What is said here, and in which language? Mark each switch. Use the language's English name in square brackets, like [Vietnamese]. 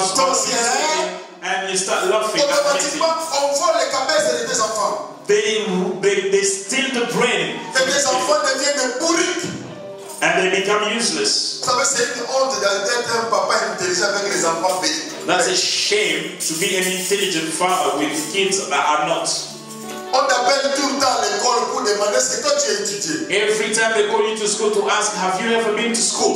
[English] stupid. And you start laughing. [French] Automatiquement, on vole les cabesses de tes enfants. [English] They steal the brain. [French] Et tes enfants deviennent des bourriques. [English] And they become useless. [French] Ça veut dire une honte d'être un papa intelligent avec les enfants bêtes. [English] That's a shame to be an intelligent father with kids that are not. [French] On t'appelle tout le temps à l'école pour demander ce que tu as étudié. [English] Every time they call you to school to ask, have you ever been to school?